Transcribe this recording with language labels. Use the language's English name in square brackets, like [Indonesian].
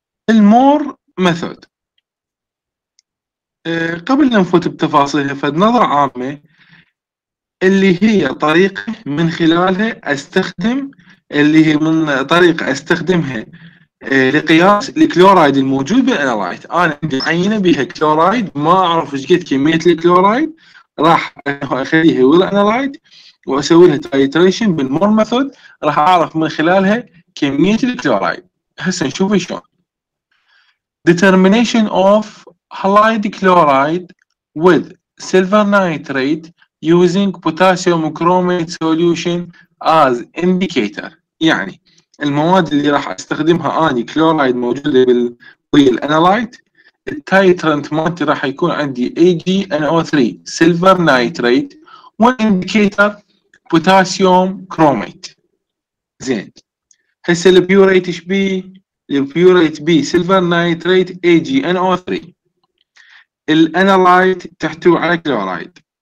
[Arabic] المور ميثود قبل نفوت بتفاصيلها فنظرة عامة اللي هي طريقة من خلالها استخدم اللي هي من طريقة استخدمها لقياس الكلورايد الموجود بالانالايت. انا عندي عينة بها كلورايد ما اعرف ايش قد كمية الكلورايد، راح اخليها بالانالايت واسوي لها تايتريشن بالمور ميثود راح اعرف من خلالها كمية الكلورايد. هسه نشوف شلون. [English] Determination of halide chloride with silver nitrate using potassium chromate solution as indicator. [Arabic] يعني المواد اللي راح استخدمها اني كلورايد موجودة ويل انالايت التايترنت مالتي راح يكون عندي AgNO3 سيلفر نايتريت والانديكيتر بوتاسيوم كروميت. زين هسه البيوريت ايش بي؟ البيوريت بي سيلفر نايتريت AgNO3 الانالايت تحتوي على كلورايد.